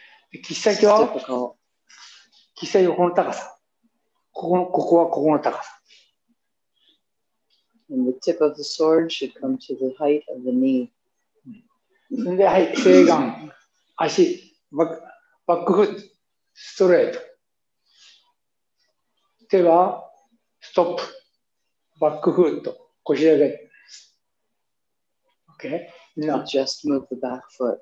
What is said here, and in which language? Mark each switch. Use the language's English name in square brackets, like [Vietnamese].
[Japanese] 切先はこの高さ。ここはここの高さ。 [English] And the tip of the sword should come to the height of the knee. [Japanese] そんで、はい、正眼、足、バックフット、ストレート。手は、ストップ、バックフット、腰上げ。 [English] Okay? Now, just move the back foot.